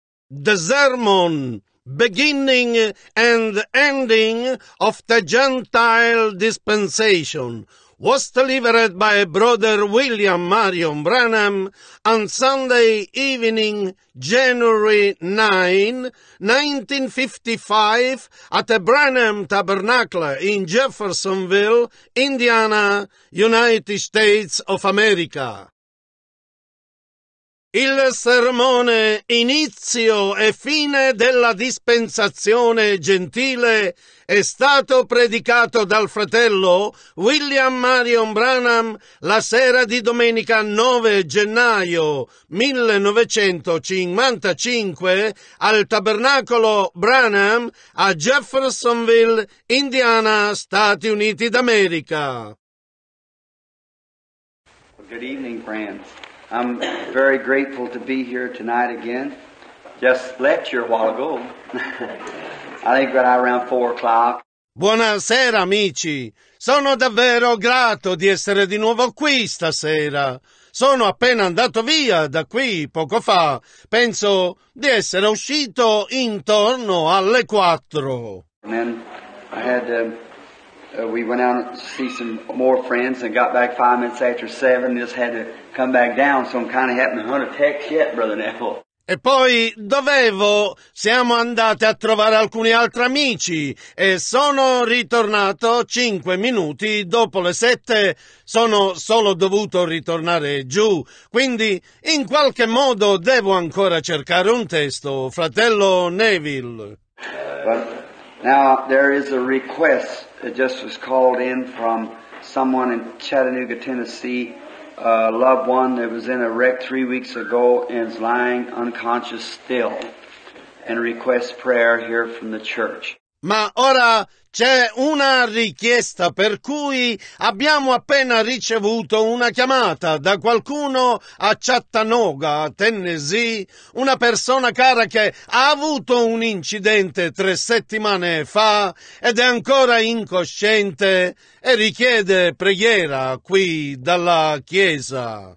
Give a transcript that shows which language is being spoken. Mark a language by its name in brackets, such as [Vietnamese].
[English] The sermon, beginning and ending of the Gentile dispensation, was delivered by Brother William Marion Branham on Sunday evening, January 9, 1955, at the Branham Tabernacle in Jeffersonville, Indiana, United States of America. [Italian] Il sermone inizio e fine della dispensazione gentile è stato predicato dal fratello William Marion Branham la sera di domenica 9 gennaio 1955 al Tabernacolo Branham a Jeffersonville, Indiana, Stati Uniti d'America. [English] Good evening, friends. I'm very grateful to be here tonight again. Just lecture a while ago. I think right around 4 o'clock. [Italian] Buonasera, amici. Sono davvero grato di essere di nuovo qui stasera. Sono appena andato via da qui poco fa. Penso di essere uscito intorno alle 4. [English] And then I had we went out to see some more friends and got back 5 minutes after 7. Just had to come back down, so I'm kind of having to hunt a text yet, Brother Neville. [Italian] E poi dovevo, siamo andati a trovare alcuni altri amici e sono ritornato 5 minuti dopo le 7, sono solo dovuto ritornare giù, quindi in qualche modo devo ancora cercare un testo, fratello Neville. [English] But now there is a request that just was called in from someone in Chattanooga, Tennessee. A loved one that was in a wreck 3 weeks ago and is lying unconscious still, and requests prayer here from the church. [Italian] Ma ora c'è una richiesta per cui abbiamo appena ricevuto una chiamata da qualcuno a Chattanooga, Tennessee, una persona cara che ha avuto un incidente 3 settimane fa ed è ancora incosciente e richiede preghiera qui dalla chiesa.